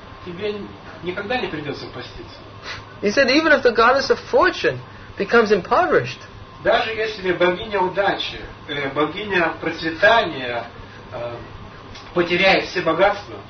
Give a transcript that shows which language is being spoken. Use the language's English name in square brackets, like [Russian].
[Russian] Тебе никогда не придется поститься. [English] He said, even if the goddess of fortune becomes impoverished. [Russian] Даже если богиня удачи, богиня процветания потеряет все богатства.